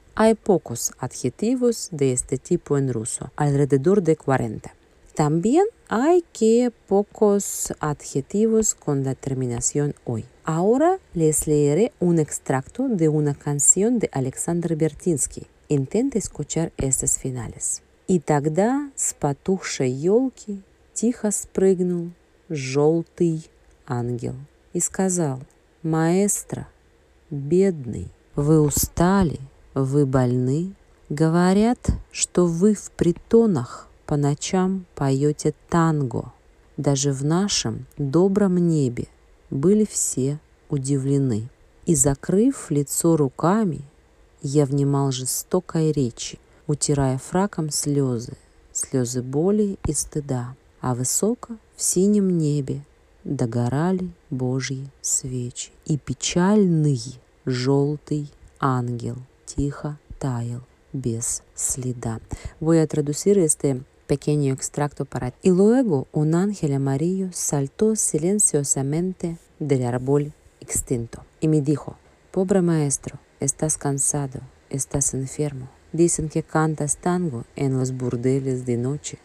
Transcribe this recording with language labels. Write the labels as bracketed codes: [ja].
[es] Hay pocos adjetivos de este tipo en ruso, alrededor de 40. También hay que pocos adjetivos con la terminación -oy. Ahora les leeré un extracto de una canción de Александр Вертинский. Intente escuchar estos finales. [ru] Y тогда с потухшей елки тихо спрыгнул желтый ангел и сказал: «Маэстро, бедный, вы устали, вы больны. Говорят, что вы в притонах по ночам поете танго. Даже в нашем добром небе были все удивлены. И закрыв лицо руками, я внимал жестокой речи, утирая фраком слезы, слезы боли и стыда. А высоко в синем небе догорали божьи свечи. И печальный желтый ангел тихо таял без следа». [es] Voy a traducir este pequeño extracto para ti. Y luego un ángel amarillo saltó silenciosamente del árbol extinto y me dijo: «Pobre maestro, estás cansado, estás enfermo. Dicen que cantas tango en los burdeles de noche.